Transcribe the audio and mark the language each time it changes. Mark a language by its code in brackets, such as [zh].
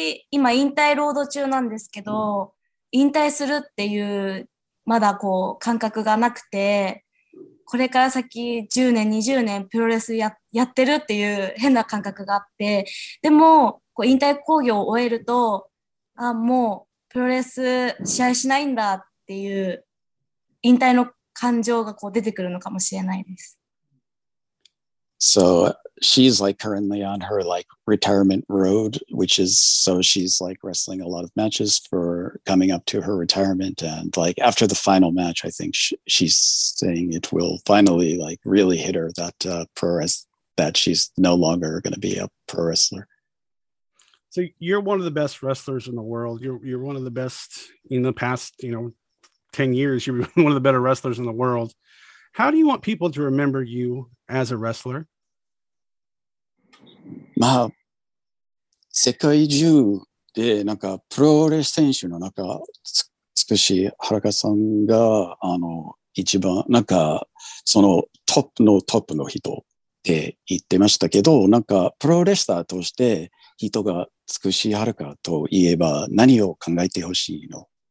[ja] 今引退ロード中なんですけど、引退するっていうまだこう感覚がなくて、これから先10年20年プロレス やってるっていう変な感覚があって、でもこう引退興行を終えると、あ、もうプロレス試合しないんだっていう引退の感情がこう出てくるのかもしれないです。 [en] So she's like currently on her like retirement road, which is so she's like wrestling a lot of matches for coming up to her retirement, and like after the final match, I think she's saying it will finally like really hit her that that she's no longer going to be a pro wrestler. So you're one of the best wrestlers in the world. You're one of the best in the past, you know, 10 years, you're one of the better wrestlers in the world. How do you want people to remember you as a wrestler? [ja] まあ、世界中でなんかプロレス選手の中、つくし原川さんがあの一番なんかそのトップのトップの人って言ってましたけど、なんかプロレスラーとして人がつくし原川といえば何を考えてほしいの？